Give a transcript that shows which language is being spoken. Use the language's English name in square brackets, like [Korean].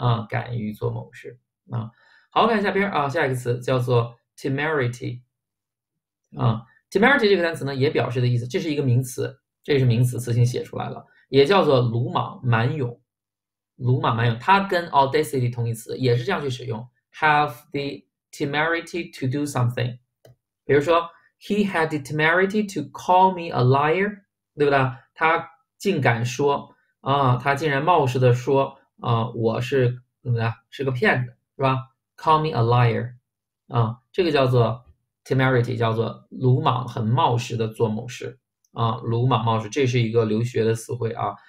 [Chinese] 敢于做某事啊！好，看下边啊，下一个词叫做 temerity 啊。 temerity 这个单词呢，也表示的意思，这是一个名词，这是名词，词性写出来了，也叫做鲁莽、蛮勇。鲁莽、蛮勇，它跟 audacity 同义词，也是这样去使用。 [English] Have the temerity to do something， [Chinese] 比如说， [English] He had the temerity to call me a liar， [Chinese] 对不对？他竟敢说啊，他竟然冒失的说。我是怎么的？是个骗子，是吧？ [English] Call me a liar， [Chinese] 这个叫做 temerity，叫做鲁莽、很冒失的做某事啊，鲁莽冒失，这是一个留学的词汇啊。